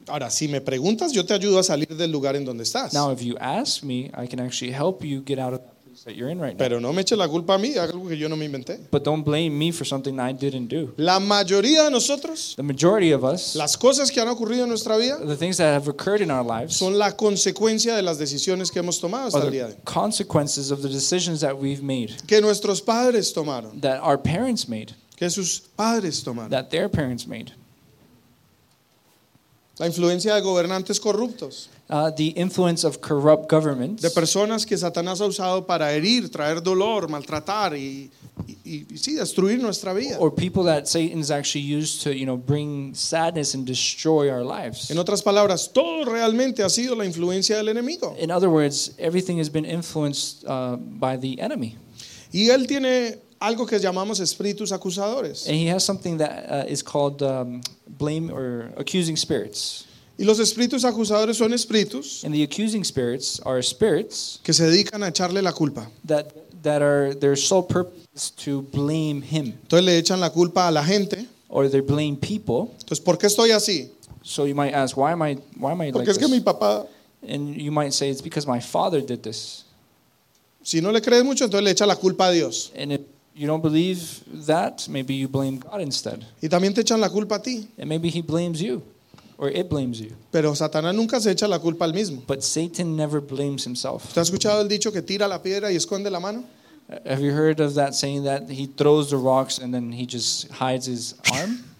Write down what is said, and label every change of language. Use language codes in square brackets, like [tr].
[es] Ahora, si me preguntas, yo te ayudo a salir del lugar en donde estás. [en] Now, if you ask me, I can actually help you get out of that place that you're in right now. [es] Pero no me eche la culpa a mí, algo que yo no me inventé. [en] But don't blame me for something I didn't do. [es] La mayoría de nosotros, [en] the majority of us, [es] las cosas que han ocurrido en nuestra vida, [en] the things that have occurred in our lives, [es] son la consecuencia de las decisiones que hemos tomado hasta el día de hoy. [en] Consequences of the decisions that we've made. [es] Que nuestros padres tomaron. [en] That our parents made. [es] Que sus padres tomaron. [en] That their parents made. [es] La influencia de gobernantes corruptos. [en] The influence of corrupt governments. [es] De personas que Satanás ha usado para herir, traer dolor, maltratar y sí, destruir nuestra vida. [en] Or people that Satan's actually used to, you know, bring sadness and destroy our lives. [es] En otras palabras, todo realmente ha sido la influencia del enemigo. [en] In other words, everything has been influenced by the enemy. [es] Y él tiene algo que llamamos espíritus acusadores. [en] And he has something that is called blame or accusing spirits. [es] Y los espíritus acusadores son espíritus. [en] And the accusing spirits are spirits [es] que se dedican a echarle la culpa. [en] That are their sole purpose to blame him. [es] Entonces le echan la culpa a la gente. [en] Or they blame people. [es] Entonces, ¿por qué estoy así? [en] So you might ask, why am I [es] porque [en] like [es] es Que mi papá. [en] And you might say, it's because my father did this. [es] Si no le crees mucho, entonces le echa la culpa a Dios. [en] And if you don't believe that, maybe you blame God instead. [es] Y también te echan la culpa a ti. [en] And maybe he blames you. Or it blames you. [es] Pero Satanás nunca se echa la culpa al mismo. [en] But Satan never blames himself. [es] ¿Te has escuchado el dicho que tira la piedra y esconde la mano? [en] Have you heard of that saying that he throws the rocks and then he just hides his arm?